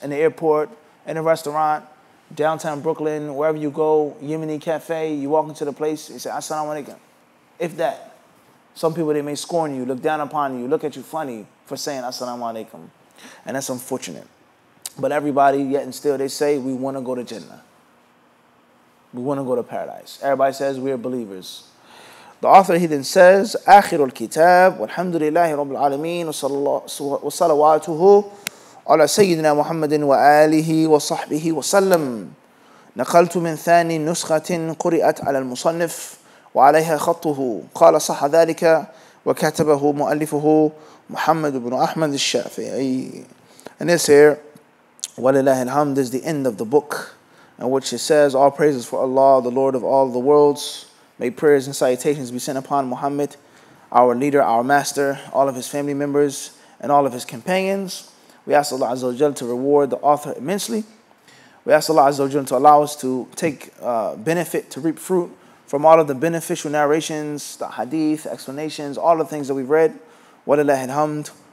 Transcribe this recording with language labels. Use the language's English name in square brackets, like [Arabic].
[English] In the airport, in a restaurant, downtown Brooklyn, wherever you go, Yemeni cafe, you walk into the place, you say, assalamu alaikum. If that, some people, they may scorn you, look down upon you, look at you funny for saying assalamu alaikum. And that's unfortunate. But everybody, yet and still, they say, we want to go to Jannah. We want to go to paradise. Everybody says, we are believers. The author, he then says, [Arabic] آخر الكتاب والحمد لله رب العالمين وصلواته على سيدنا محمد وآله وصحبه وسلم نقلت من ثاني نسخة قرأت على المصنف وعليها خطه قال صح ذلك وكتبه مؤلفه محمد بن أحمد الشافعي. [English] And this here, [Arabic] ولله الحمد, [English] is the end of the book in which it says, all praises for Allah, the Lord of all the worlds. May prayers and salutations be sent upon Muhammad, our leader, our master, all of his family members, and all of his companions. We ask Allah Azza wa Jal to reward the author immensely. We ask Allah Azza wa Jal to allow us to take benefit, to reap fruit from all of the beneficial narrations, the hadith, explanations, all the things that we've read. Walillahi alhamd.